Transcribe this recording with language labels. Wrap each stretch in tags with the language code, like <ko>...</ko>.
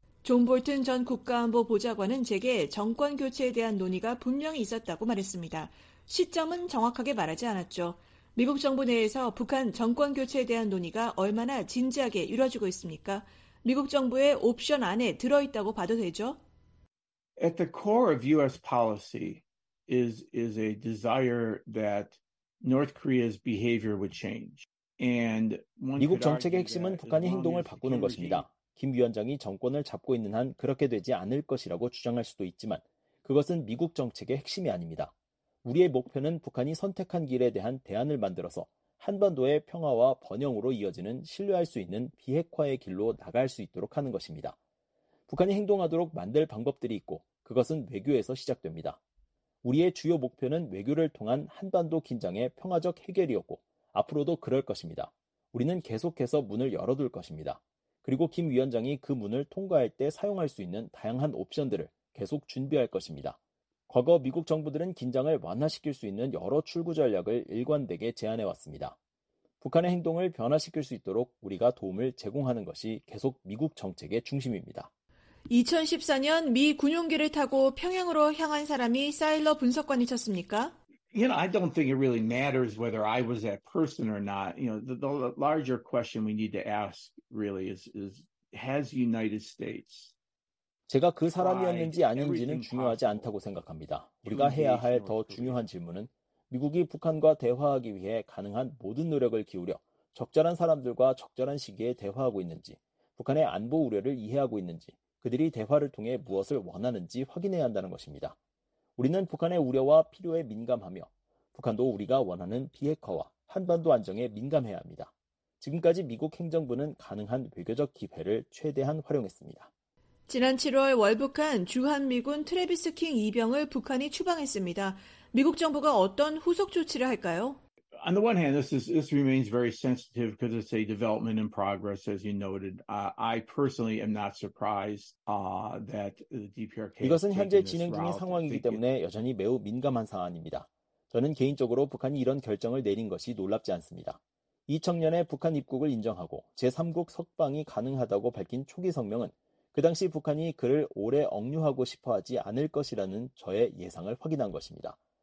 <ko>존 볼튼 전 국가안보보좌관은 제게 정권 교체에 대한 논의가 분명히 있었다고 말했습니다. 시점은 정확하게 말하지 않았죠. 미국 정부 내에서 북한 정권 교체에 대한 논의가 얼마나 진지하게 이루어지고 있습니까? 미국 정부의 옵션 안에 들어있다고 봐도 되죠?</ko> <en>At the core of U.S. policy is a desire that North Korea's behavior would change. And</en> <ko>미국 정책의 핵심은 북한이 행동을 바꾸는 것입니다. 김 위원장이 정권을 잡고 있는 한 그렇게 되지 않을 것이라고 주장할 수도 있지만 그것은 미국 정책의 핵심이 아닙니다. 우리의 목표는 북한이 선택한 길에 대한 대안을 만들어서 한반도의 평화와 번영으로 이어지는 신뢰할 수 있는 비핵화의 길로 나갈 수 있도록 하는 것입니다. 북한이 행동하도록 만들 방법들이 있고 그것은 외교에서 시작됩니다. 우리의 주요 목표는 외교를 통한 한반도 긴장의 평화적 해결이었고 앞으로도 그럴 것입니다. 우리는 계속해서 문을 열어둘 것입니다. 그리고 김 위원장이 그 문을 통과할 때 사용할 수 있는 다양한 옵션들을 계속 준비할 것입니다. 과거 미국 정부들은 긴장을 완화시킬 수 있는 여러 출구 전략을 일관되게 제안해왔습니다. 북한의 행동을 변화시킬 수 있도록 우리가 도움을 제공하는 것이 계속 미국 정책의 중심입니다. 2014년 미 군용기를 타고 평양으로 향한 사람이 사일러 분석관이 쳤습니까?</ko> <en>I don't think it really matters whether I was that person or not. The larger question we need to ask really is has United States</en> <ko>제가 그 사람이었는지 아닌지는 중요하지 않다고 생각합니다. 우리가 해야 할 더 중요한 질문은 미국이 북한과 대화하기 위해 가능한 모든 노력을 기울여 적절한 사람들과 적절한 시기에 대화하고 있는지, 북한의 안보 우려를 이해하고 있는지, 그들이 대화를 통해 무엇을 원하는지 확인해야 한다는 것입니다. 우리는 북한의 우려와 필요에 민감하며 북한도 우리가 원하는 비핵화와 한반도 안정에 민감해야 합니다. 지금까지 미국 행정부는 가능한 외교적 기회를 최대한 활용했습니다. 지난 7월 월북한 주한미군 트래비스 킹 2병을 북한이 추방했습니다. 미국 정부가 어떤 후속 조치를 할까요?</ko> <en>On the one hand, this remains very sensitive because it's a development in progress, as you noted. I personally am not surprised that the DPRK.</en> <ko>이것은 현재 진행 중인 상황이기 때문에 여전히 매우 민감한 사안입니다. 저는 개인적으로 북한이 이런 결정을 내린 것이 놀랍지 않습니다. 이 청년의 북한 입국을 인정하고 제3국 석방이 가능하다고 밝힌 초기 성명은 그 당시 북한이 그를 오래 억류하고 싶어 하지 않을 것이라는 저의 예상을 확인한 것입니다.</ko>